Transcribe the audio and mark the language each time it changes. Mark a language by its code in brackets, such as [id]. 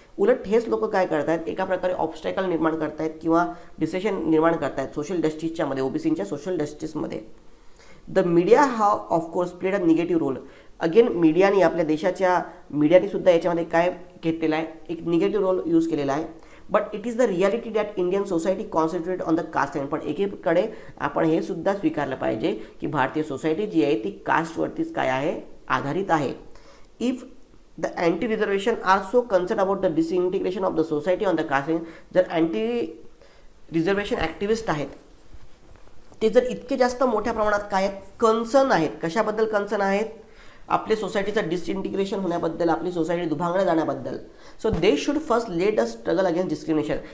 [mr] उलट हेच लोक काय करतात, एका प्रकारे ऑब्स्टॅकल निर्माण करतायत किंवा डिसेशन निर्माण करतायत सोशल जस्टिसच्यामध्ये, ओबीसींच्या सोशल जस्टिसमध्ये. [en] The media हा of course played a negative role. [mr] Again मीडियाने, आपल्या देशाच्या मीडियानेसुद्धा याच्यामध्ये काय घेतलेलं आहे, एक निगेटिव्ह रोल यूज केलेला आहे. [en] But it is the reality that Indian society concentrate on the caste end. [mr] पण एकीकडे आपण हे सुद्धा स्वीकारलं पाहिजे की भारतीय सोसायटी जी आहे ती कास्टवरतीच काय आहे, आधारित आहे. [en] If the anti-reservation are so concerned about the disintegration of the society on the caste, [mr] जर anti-reservation activist आहेत ते जर इतके जास्त मोठ्या प्रमाणात काय कन्सर्न आहेत, कशाबद्दल कन्सर्न आहेत, आपल्या सोसायटीचं डिसइंटिग्रेशन होण्याबद्दल, आपली society दुभांगणं जाण्याबद्दल, [en] So they should first let a struggle against discrimination.